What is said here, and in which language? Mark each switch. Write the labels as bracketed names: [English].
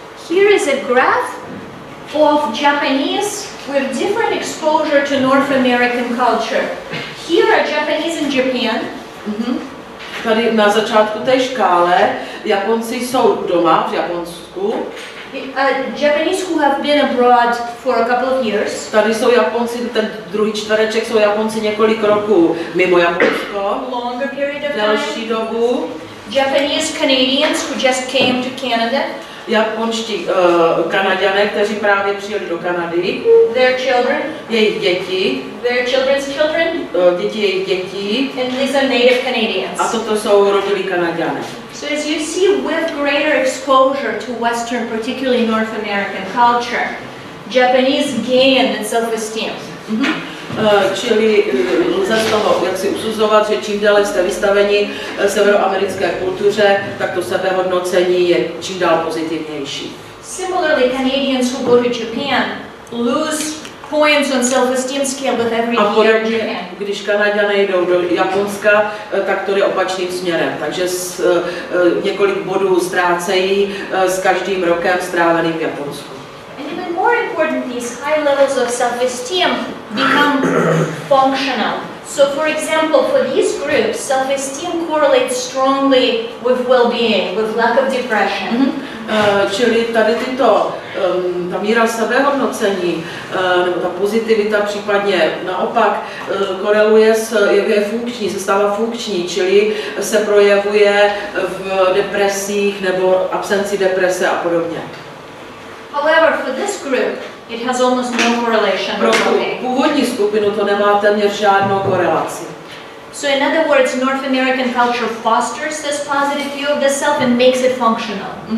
[English] Here is a graph of Japanese with different exposure to North American culture. Here are Japanese in Japan. [Czech] Tady na začátku té škále Japonci jsou doma v Japonsku. [English] Japanese who have been abroad for a couple of years. [Czech] Tady jsou Japonci, ten druhý čtvereček jsou Japonci několik roků mimo Japonsko. [English] Longer period of [Czech] delší [English] time. [Czech] Dobu. [English] Japanese Canadians who just came to Canada. [Czech] Japonští Kanaďané, kteří právě přijeli do Kanady. [English] Their children. [Czech] Jejich děti. [English] Their children's children. [Czech] Děti jejich děti. [English] And these are native Canadians. [Czech] A toto jsou rodilí Kanaďané. [English] So as you see, with greater exposure to Western, particularly North American culture, Japanese gain in self-esteem. [Czech] Čili lze z toho jak si usuzovat, že čím dále jste vystaveni severoamerické kultuře, tak to sebehodnocení je čím dál pozitivnější. [English] Similarly, Canadians who go to Japan lose points on self-esteem scale with every year. [Czech] A podobně, když Kanaďané jdou do Japonska, tak to je opačným směrem. Takže několik bodů ztrácejí s každým rokem stráveným v Japonsku. [English] More important, these high levels of self-esteem become functional. So, for example, for these groups, self-esteem correlates strongly with well-being, with lack of depression. [Czech] Čili tady tyto, ta míra sebehodnocení, nebo ta pozitivita případně naopak koreluje s, je funkční, se stává funkční, čili se projevuje v depresích nebo absenci deprese a podobně. [English] However, for this group, it has almost no correlation. [Czech] Pro původní skupinu to nemá téměř žádnou korelaci. [English] So in other words, North American culture fosters this positive view of the self and makes it functional.